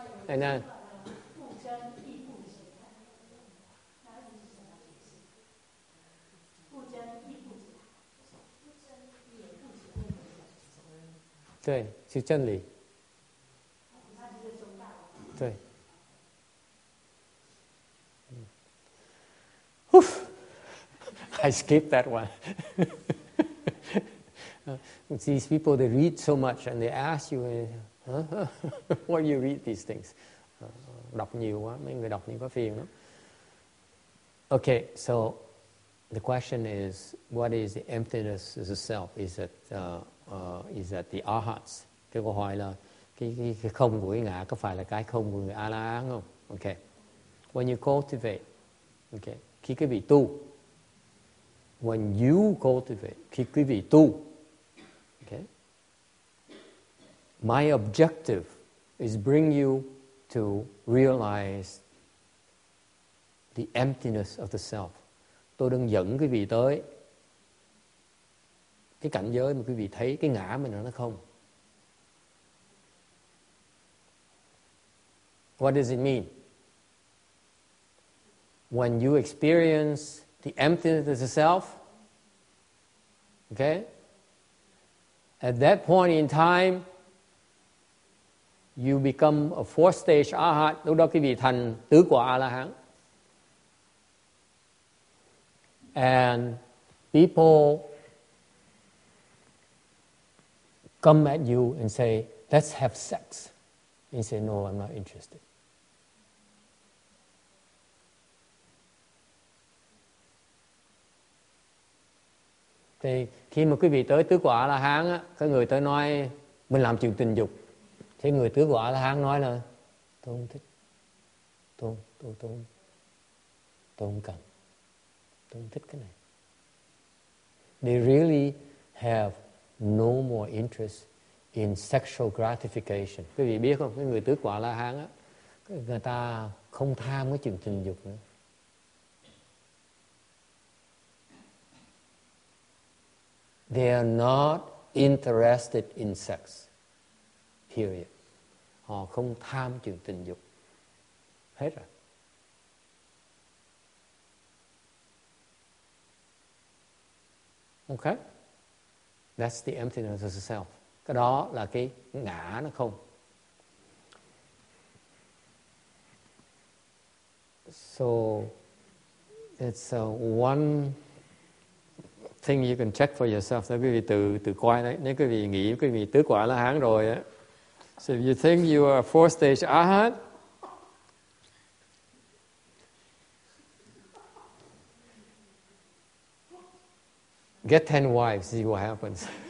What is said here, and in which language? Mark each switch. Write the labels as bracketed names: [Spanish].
[English] And then, then, then, then, then, then, I skipped that one. These people, they read so much and they ask you, why you read these things? [Vietnamese] Đọc nhiều quá, mấy người đọc nhiều quá phiền lắm. [English] Okay, so the question is, what is the emptiness of the self? Is it the arhats? [Vietnamese] Cái câu hỏi là cái không của cái ngã có phải là cái không của người A-la-hán không? [English] Okay. When you cultivate, okay, [Vietnamese] khi quý vị tu, [English] when you cultivate, [Vietnamese] khi quý vị tu, [English] okay, my objective is bring you to realize the emptiness of the self. [Vietnamese] Tôi đang dẫn quý vị tới cái cảnh giới mà quý vị thấy cái ngã mình nó không. [English] What does it mean? When you experience the emptiness of the self, okay? At that point in time, you become a four-stage arhat. [Vietnamese] Lúc đó quý vị thành tứ quả A-la-hán. [English] And people come at you and say, let's have sex. And you say, no, I'm not interested. [Vietnamese] Thì khi mà quý vị tới tứ quả A-la-hán, có người tới nói, mình làm chuyện tình dục. Thế người tứ quả A-la-hán nói là tôi không thích, tôi không cần, tôi không thích cái này. [English] They really have no more interest in sexual gratification. [Vietnamese] Quý vị biết không, cái người tứ quả A-la-hán á, người ta không tham cái chuyện tình dục nữa. [English] They are not interested in sex. Period. [Vietnamese] Họ không tham chuyện tình dục. Hết rồi. [English] Okay? That's the emptiness of the self. [Vietnamese] Cái đó là cái ngã nó không. [English] So it's one thing you can check for yourself. [Vietnamese] Thế quý vị tự coi đấy. Nếu quý vị nghĩ quý vị tứ quả la hán rồi á. [English] So if you think you are four stage arhat, get 10 wives, see what happens.